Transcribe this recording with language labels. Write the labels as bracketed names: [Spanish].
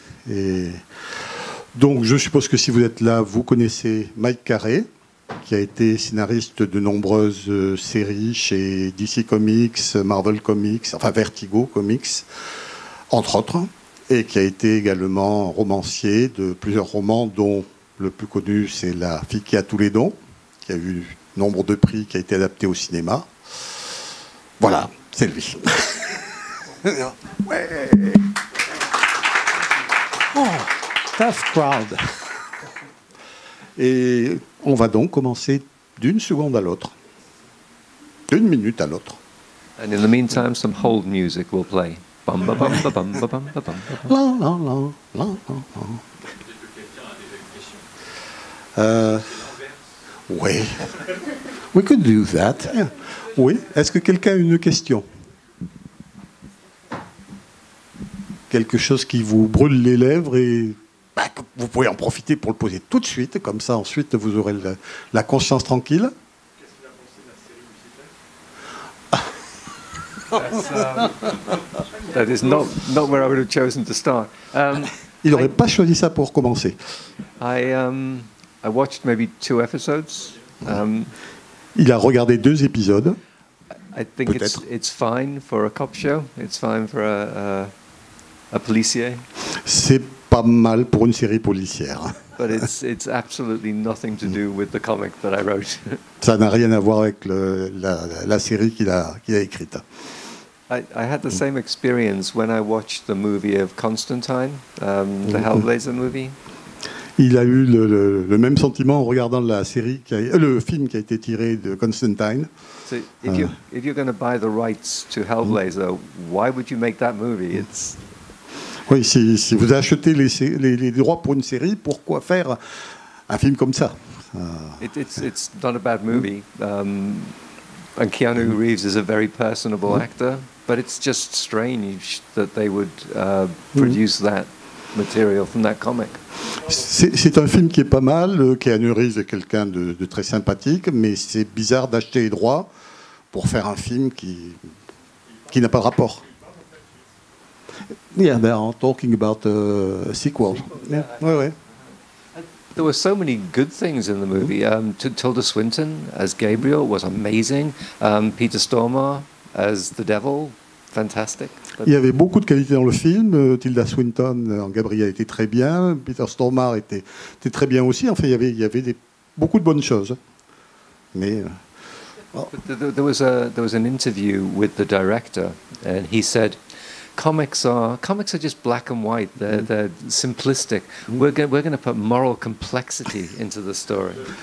[French] Et donc, je suppose que si vous êtes là, vous connaissez Mike Carré, qui a été scénariste de nombreuses séries chez DC Comics, Marvel Comics, enfin Vertigo Comics, entre autres, et qui a été également romancier de plusieurs romans, dont le plus connu, c'est La fille qui a tous les dons, qui a eu nombre de prix, qui a été adapté au cinéma. Voilà, c'est lui. Ouais. [English] Oh, tough crowd. [French] Et on va donc commencer d'une seconde à l'autre. D'une minute à l'autre. [English] And in the meantime, some hold music will play. Bum bum bum bum bum bum bum bum bum. La la la la la la. Oui. We could do that. Yeah. Oui. [French] Est-ce que quelqu'un a une question? Quelque chose qui vous brûle les lèvres et bah, vous pouvez en profiter pour le poser tout de suite, comme ça ensuite vous aurez la conscience tranquille. Qu'est-ce qu'il a pensé de la série musicale? [English] That is not where I would have chosen to start. [French] Il n'aurait pas choisi ça pour commencer. [English] I watched maybe two episodes. [French] Il a regardé deux épisodes. [English] I think it's fine for a cop show. It's fine for a policier. [French] C'est pas mal pour une série policière. [English] But it's absolutely nothing to do with the comic that I wrote. [French] Ça n'a rien à voir avec la série qu'il a écrite. [English] I had the same experience when I watched the movie of Constantine, the Hellblazer movie. [French] Il a eu le même sentiment en regardant la série le film qui a été tiré de Constantine. [English] So if you're going to buy the rights to Hellblazer, why would you make that movie? It's... [French] Oui, si vous achetez les droits pour une série, pourquoi faire un film comme ça? [English] It's not a bad movie. And Keanu Reeves is a very personable actor, but it's just strange that they would produce that material from that comic. [French] C'est un film qui est pas mal, Keanu Reeves est quelqu'un de très sympathique, mais c'est bizarre d'acheter les droits pour faire un film qui n'a pas de rapport. [English] Yeah, they are talking about a sequel. Yeah. Ouais, ouais. There were so many good things in the movie. Tilda Swinton as Gabriel was amazing. Peter Stormare as the devil, fantastic. [French] Il y avait beaucoup de qualités dans le film. Tilda Swinton en Gabriel était très bien. Peter Stormare était très bien aussi. Enfin, il y avait beaucoup de bonnes choses. Mais [English] there was an interview with the director, and he said, Comics are just black and white. They're simplistic. We're going to put moral complexity into the story.